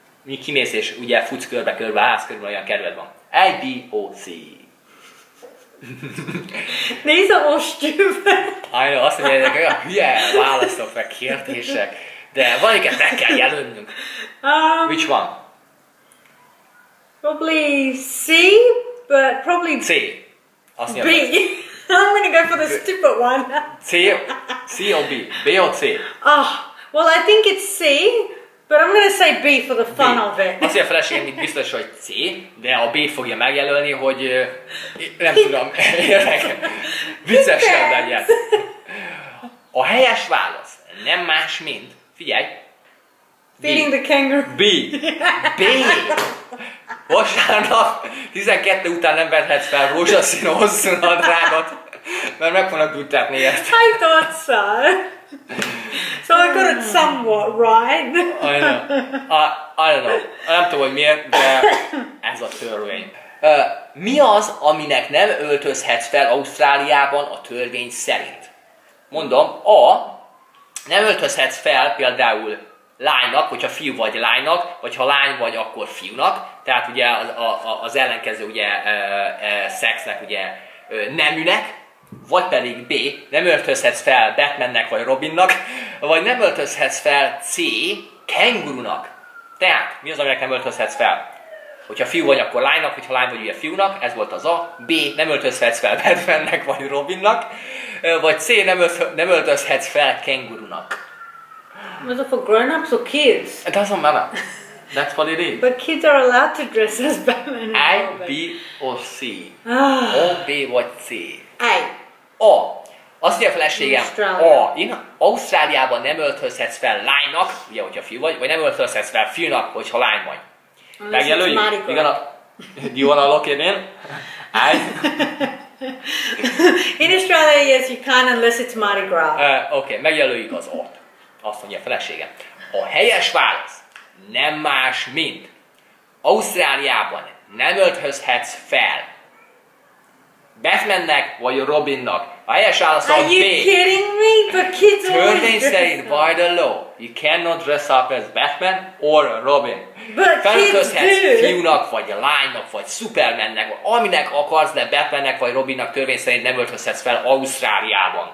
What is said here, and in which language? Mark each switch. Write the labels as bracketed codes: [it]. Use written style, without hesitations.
[hu] Mi kimész és ugye futsz körbe-körbe, állsz körbe, olyan kerület van. A-B-O-C. Nézd a most gyűvő! [en] I know, [hu] azt mondja, hogy olyan hülye válaszok meg kérdések, de valamiket meg kell jelölnünk. [en] Which one? Probably C, but probably C. [hu] Azt B. [en] I'm gonna go for the stupid one. C or B? B or C? Oh, well, I think it's C. But I'm gonna say B for the fun B. of it. [hu] Azt mondja a feleségem, itt biztos, hogy C, de a B fogja megjelölni, hogy nem tudom, érdek, viccesen legyen. A helyes válasz nem más, mint, figyelj, [en] feeding the kangaroo. B. B. [hu] Vasárnap 12 után nem vehetsz fel rózsaszín hosszú nadrágot, mert meg fognak büntetni érte. [en] I thought so. So I got it somewhat right. I know. I don't know. [hu] Nem tudom, hogy miért, de ez a törvény. Mi az, aminek nem öltözhetsz fel Ausztráliában a törvény szerint? Mondom, A. Nem öltözhetsz fel például lánynak, hogyha fiú vagy lánynak, vagy ha lány vagy, akkor fiúnak. Tehát ugye az ellenkező ugye szexnek ugye neműnek. Vagy pedig B. Nem öltözhetsz fel Batmannek vagy Robinnak. Vagy nem öltözhetsz fel C. Kengurunak. Tehát, mi az, aminek nem öltözhetsz fel? Hogyha fiú vagy, akkor lánynak, hogyha lány vagy, ugye fiúnak, ez volt az A. B. Nem öltözhetsz fel Batmannek vagy Robinnak. Vagy C. Nem öltözhetsz fel kengurunak. [en] Was it for grown-ups or kids? It doesn't matter. That's what it is. But kids are allowed to dress as Batman A, Robin. B or C? [hu] A, B vagy C? A. A. Azt mondja a feleségem, A. Én Ausztráliában nem öltözhetsz fel lánynak, ugye, hogyha fiú vagy, vagy nem öltözhetsz fel fiúnak, hogyha lány vagy. Megjelölj? Igen, a... [en] Do you wanna look it in? I... In Australia, yes, you can unless it's Mardi Gras. [hu] Okay, megjelöljük az ott. Azt mondja a feleségem. A helyes válasz nem más, mint Ausztráliában nem öltözhetsz fel Batmannek vagy Robinnak. A helyes válasz a B. [en] Are you kidding me? But kids always dress up. [hu] Törvény szerint, [en] by the law, you cannot dress up as Batman or Robin. But kids do. [hu] Felöltözhetsz fiúnak, vagy lánynak, vagy Supermannek, vagy aminek akarsz, de Batmannek vagy Robinnak törvény szerint nem öltözhetsz fel Ausztráliában.